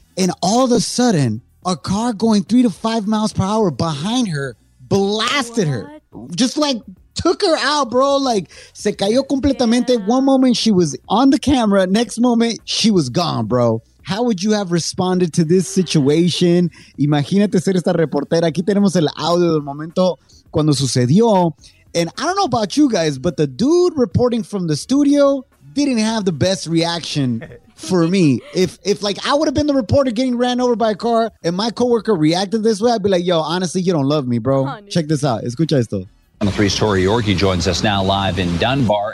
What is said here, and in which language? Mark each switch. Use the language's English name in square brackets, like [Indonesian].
[English] And all of a sudden, a car going 3 to 5 miles per hour behind her blasted her. Just like... took her out, bro. Like, [Spanish] se cayó completamente. [English] Yeah. One moment she was on the camera, next moment she was gone, bro. How would you have responded to this situation? [Spanish] Imagínate ser esta reportera. Aquí tenemos el audio del momento cuando sucedió. [English] And I don't know about you guys, but the dude reporting from the studio didn't have the best reaction for me. If like I would have been the reporter getting ran over by a car and my coworker reacted this way, I'd be like, yo, honestly, you don't love me, bro. Oh, check this out. [Spanish] Escucha esto. [English] On the Three's Tori Yorke joins us now live in Dunbar.